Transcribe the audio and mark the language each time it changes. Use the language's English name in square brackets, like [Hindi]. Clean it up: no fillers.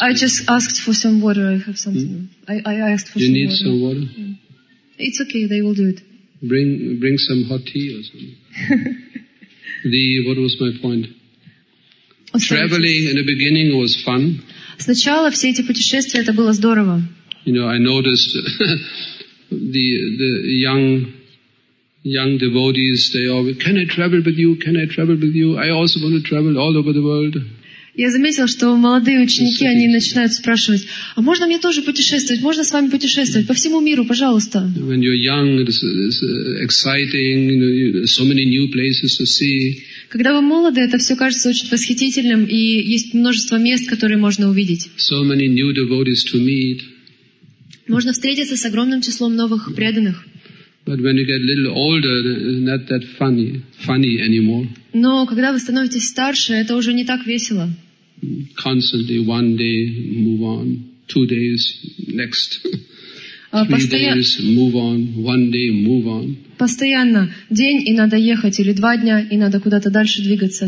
[English] I just asked for some water. I have something. Hmm? I asked for you some water. You need some water. Yeah. It's okay. They will do it. Bring some hot tea or something. what was my point? Traveling in the beginning was fun. [Russian] Сначала все эти путешествия это было здорово. [English] You know, I noticed the young devotees, they always, can I travel with you? Can I travel with you? I also want to travel all over the world. [Russian] Я заметил, что молодые ученики, они начинают спрашивать, а можно мне тоже путешествовать? Можно с вами путешествовать? По всему миру, пожалуйста. [English] When you're young, it's exciting, so many new places to see. [Russian] Когда вы молоды, это все кажется очень восхитительным, и есть множество мест, которые можно увидеть. [English] So many new devotees to meet. [Russian] Можно встретиться с огромным числом новых преданных. [English] But when you get a little older, it's not that funny anymore. [Russian] Но когда вы становитесь старше, это уже не так весело. [English] Constantly, one day, move on. 2 days, next. 3 days, move on. 1 day, move on. [Russian] Постоянно. День и надо ехать. Или 2 дня, и надо куда-то дальше двигаться.